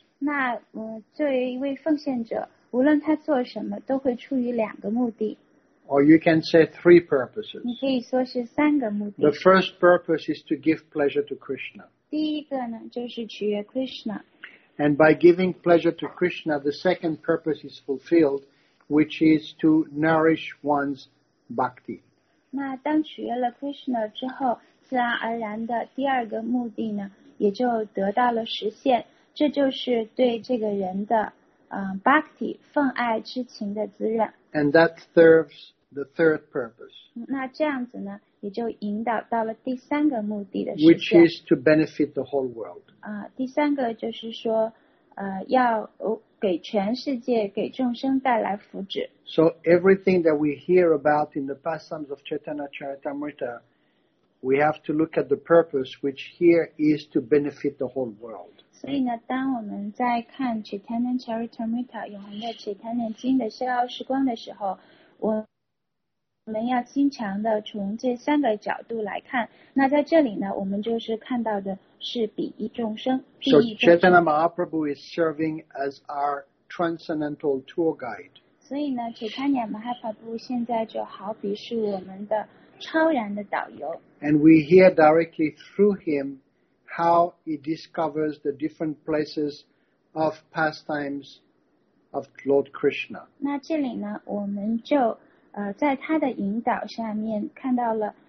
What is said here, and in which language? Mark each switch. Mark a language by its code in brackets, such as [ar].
[zh] 那作为一位奉献者，无论他做什么，都会出于两个目的。 [en] Or you can say three purposes. [zh] 你可以说是三个目的。 [en] The first purpose is to give pleasure to Krishna. [zh] 第一个呢，就是取悦 Krishna. [en] And by giving pleasure to Krishna, the second purpose is fulfilled, which is to nourish one's bhakti. [zh] 那当取悦了 Krishna 之后，自然而然的第二个目的呢，也就得到了实现，这就是对这个人的bhakti 奉爱之情的滋润。 [en] And that serves the third purpose. [zh] 那这样子呢，也就引导到了第三个目的的实现。 [en] Which is to benefit the whole world. [zh] 第三个就是说，要给全世界、给众生带来福祉。 [en] So everything that we hear about in the pastimes of Chaitanya Charitamrita. We have to look at the purpose, which here is to benefit the whole world. [zh] 所以呢，当我们在看 Chaitanya Charitamrita 永恒的 Chaitanya 经的逍遥时光的时候，我们要经常的从这三个角度来看。那在这里呢，我们就是看到的是比益众生。 [en] So Chaitanya Mahaprabhu is serving as our transcendental tour guide. [zh] 所以呢 ，Chaitanya Mahaprabhu 现在就好比是我们的。超然的导游。 [en] And we hear directly through him how he discovers the different places of pastimes of Lord Krishna. [zh] 那这里呢，我们就在他的引导下面看到了